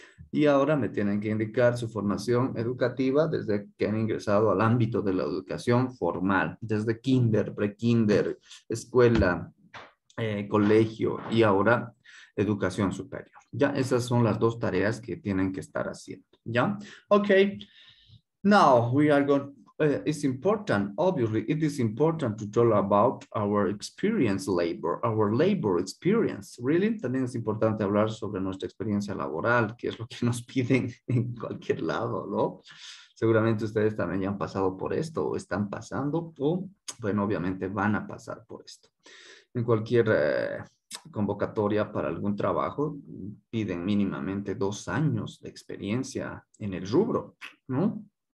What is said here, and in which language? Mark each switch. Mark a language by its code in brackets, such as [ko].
[es] Y ahora me tienen que indicar su formación educativa desde que han ingresado al ámbito de la educación formal, desde kinder, pre-kinder, escuela, colegio y ahora educación superior. Ya, esas son las dos tareas que tienen que estar haciendo, ¿ya? Ok. [en] Now we are going, it's important, obviously, it is important to talk about our experience labor, our labor experience, really. [es] También es importante hablar sobre nuestra experiencia laboral, que es lo que nos piden en cualquier lado, ¿no? Seguramente ustedes también ya han pasado por esto, o están pasando, o, bueno, obviamente van a pasar por esto. En cualquier convocatoria para algún trabajo, piden mínimamente 2 años de experiencia en el rubro, ¿no?